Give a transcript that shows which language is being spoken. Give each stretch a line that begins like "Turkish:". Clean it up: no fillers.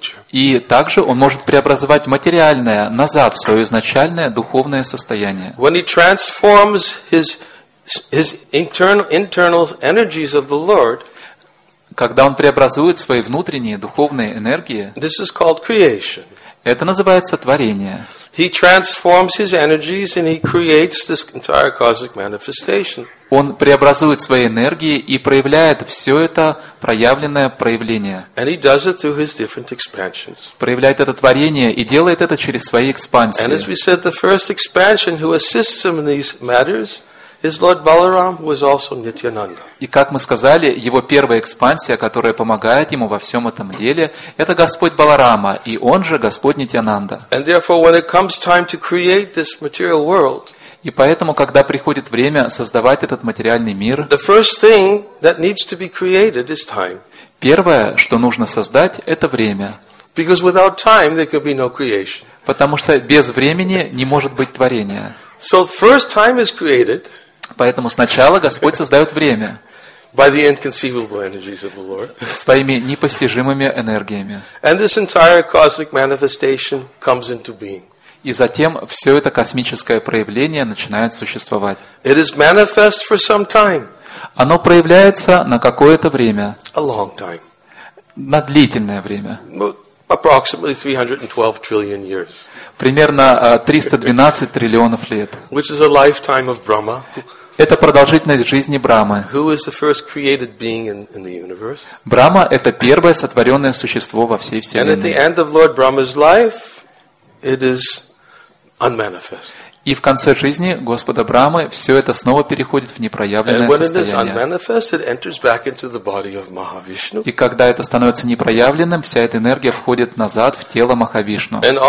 Russian: И также он может преобразовать материальное назад в свое изначальное духовное состояние.
English: When he transforms his internal energies of the Lord,
Russian: когда он преобразует свои внутренние духовные энергии,
English: this is called creation.
Russian: Это называется творение.
English: He transforms his energies and he creates this entire cosmic manifestation.
Russian: Он преобразует свои энергии и проявляет все это проявленное проявление.
English: And he does it through his different expansions.
Russian: Проявляет это творение и делает это через свои экспансии.
English: And as we said, the first expansion who assists him in these matters is Lord Balaram, who is also Nityananda.
Russian: И как мы сказали, его первая экспансия, которая помогает ему во всем этом деле, это Господь Баларама, и он же Господь Нитьянанда.
English: And therefore, when it comes time to create this material world,
Russian: и поэтому, когда приходит время создавать этот материальный мир,
English: the first thing that needs to be created is time.
Russian: Первое, что нужно создать, это время.
English: Because without time, there could be no creation.
Russian: Потому что без времени не может быть творения.
English: So first time is created.
Russian: Поэтому сначала Господь создает время.
English: By the inconceivable energies of the Lord.
Russian: Своими непостижимыми энергиями.
English: And this entire cosmic manifestation comes into being.
Russian: И затем все это космическое проявление начинает существовать.
English: It is manifest for some time.
Russian: Оно проявляется на какое-то время.
English: A long time.
Russian: На длительное время.
English: Approximately 312 trillion years.
Russian: Примерно 312 триллионов лет.
English: Which is a lifetime of Brahma.
Russian: Это продолжительность жизни Брахмы.
English: Who is the first created being in the universe?
Russian: Брахма – это первое сотворенное существо во всей вселенной.
English: And at the end of Lord Brahma's life, it is unmanifest.
Russian: И в конце жизни Господа Брахмы все это снова переходит в непроявленное состояние. И когда это становится непроявленным, вся эта энергия входит назад в тело Махавишну.